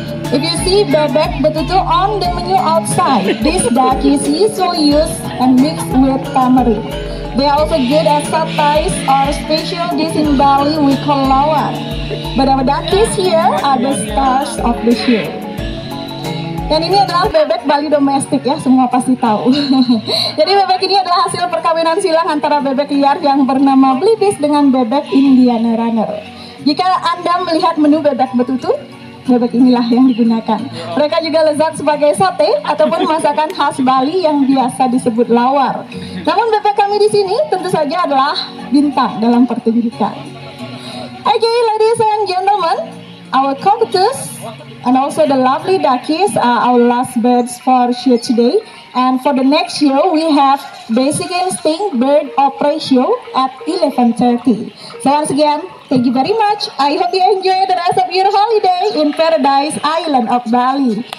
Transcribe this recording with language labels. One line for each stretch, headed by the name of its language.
English: If you see bird-bag betutu on the menu outside, this duck is easily used and mixed with tamarind. They are also good at satays or special dish in Bali we call lawar. But our duckies here are the stars of the show.
Indonesian: Dan ini adalah bebek Bali domestik ya, semua pasti tahu. Jadi bebek ini adalah hasil perkawinan silang antara bebek liar yang bernama blibis dengan bebek Indiana runner. Jika Anda melihat menu bebek betutu, bebek inilah yang digunakan. Mereka juga lezat sebagai sate ataupun masakan khas Bali yang biasa disebut lawar. Namun bebek kami di sini tentu saja adalah bintang dalam pertunjukan.
English: Okay, ladies and gentlemen, our cockatoos and also the lovely duckies are our last birds for show today. And for the next show, we have Basic Instinct Bird Opera Show at 11:30. So once again, thank you very much. I hope you enjoy the rest of your holiday in Paradise Island of Bali.